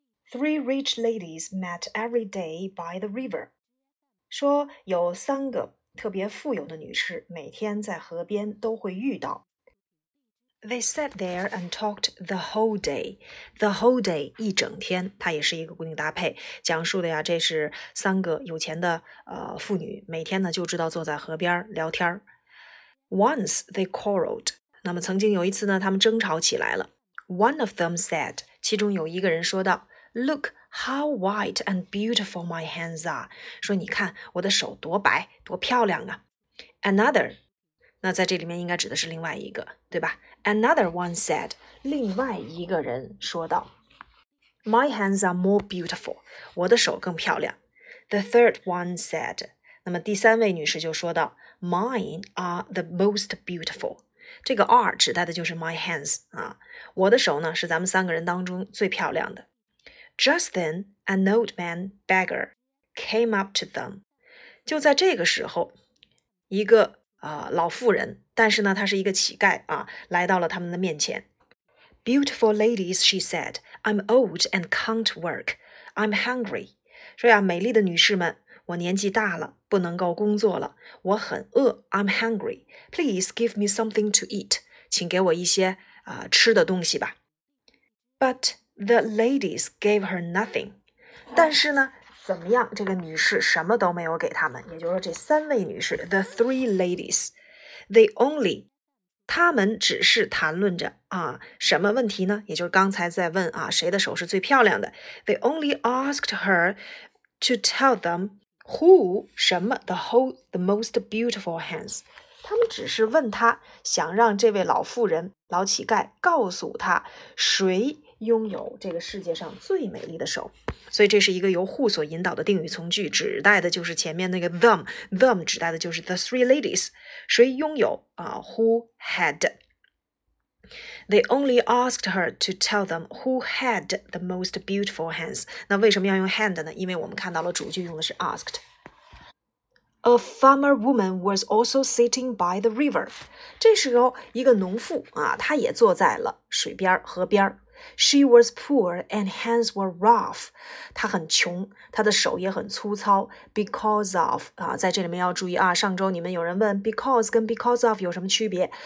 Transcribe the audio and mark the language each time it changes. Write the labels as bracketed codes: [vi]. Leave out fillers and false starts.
[en] Three rich ladies met every day by the river. [zh] 说有三个特别富有的女士每天在河边都会遇到。 [en] They sat there and talked the whole day. The whole day, [zh] 一整天，它也是一个固定搭配，讲述的呀，这是三个有钱的妇女，每天呢就知道坐在河边聊天。 [en] Once they quarreled. [zh] 那么曾经有一次呢，他们争吵起来了。 [en] One of them said, [zh] 其中有一个人说道， [en] Look how white and beautiful my hands are. [zh] 说你看我的手多白多漂亮啊。 Another, 那在这里面应该指的是另外一个，对吧？ [en] Another one said, [zh] 另外一个人说道， [en] My hands are more beautiful. [zh] 我的手更漂亮。 [en] The third one said, [zh] 那么第三位女士就说道， [en] Mine are the most beautiful. [zh] 这个 are 指代的就是 my hands 啊，我的手呢是咱们三个人当中最漂亮的。 [en] Just then, an old man beggar came up to them. [zh] 就在这个时候，一个老妇人，但是呢，她是一个乞丐啊，来到了他们的面前。 [en] Beautiful ladies, she said, I'm old and can't work. I'm hungry. [zh] 说呀，美丽的女士们，我年纪大了，不能够工作了，我很饿。 [en] I'm hungry. Please give me something to eat. [zh] 请给我一些吃的东西吧。 [en] But the ladies gave her nothing. [zh] 但是呢，怎么样，这个女士什么都没有给他们，也就是这三位女士 ,the three ladies, they only, 他们只是谈论着啊什么问题呢，也就是刚才在问啊谁的手是最漂亮的。 [en] They only asked her to tell them who, [zh] 什么 [en] the whole, the most beautiful hands. [zh] 他们只是问她，想让这位老妇人老乞丐告诉她谁拥有这个世界上最美丽的手。所以这是一个由 who 所引导的定语从句，指代的就是前面那个 them， them 指代的就是 the three ladies， 谁拥有啊、who had。 [en] They only asked her to tell them who had the most beautiful hands。 [zh] 那为什么要用 hand 呢？因为我们看到了主句用的是 asked。 [en] A farmer woman was also sitting by the river。 [zh] 这时候一个农妇啊，她也坐在了水边河边。 [en] She was poor and hands were rough. [zh] 她很穷，她的手也很粗糙。 Because of, 啊，在这里面要注意啊，上周你们有人问 because 跟 because of 有什么区别？